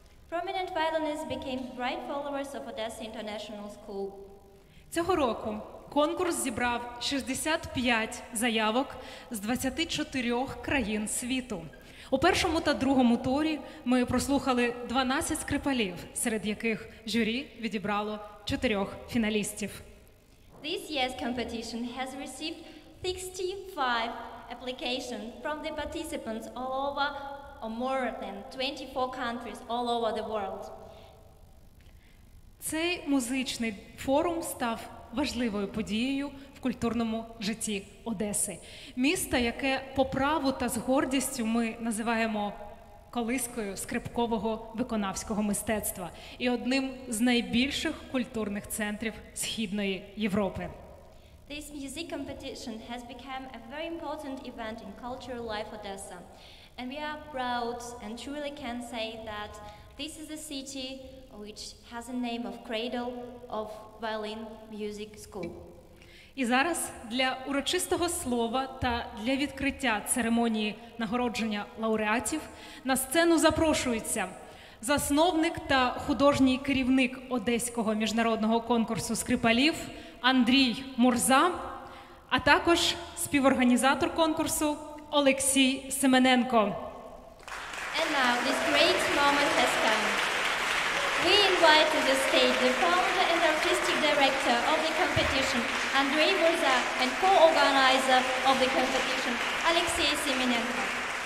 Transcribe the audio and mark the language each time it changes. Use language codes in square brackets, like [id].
[en] Prominent violinists became bright followers of Odessa International School. [uk] Цього року конкурс зібрав 65 заявок з 24 країн світу. У першому та другому турі ми прослухали 12 скрипалів, серед яких журі відібрало 4 фіналістів. [en] This year's competition has received 65 applications from the participants all over, or more than 24 countries all over the world. [uk] Цей музичний форум став важливою подією в культурному житті Одеси. Міста, яке по праву та з гордістю ми називаємо колискою скрипкового виконавського мистецтва і одним з найбільших культурних центрів Східної Європи. [en] This music competition has become a very important event in cultural life Odessa. And we are proud and truly can say that this is a city which has a name of cradle of violin music school. [uk] І зараз для урочистого слова та для відкриття церемонії нагородження лауреатів на сцену запрошується засновник та художній керівник Одеського міжнародного конкурсу скрипалів Андрій Мурза, а також співорганізатор конкурсу Олексій Семененко. [en] And now this great moment has come. We invite to the stage the founder and artistic director of the competition, Andrei Murza, and co-organizer of the competition, Alexey Semenenko.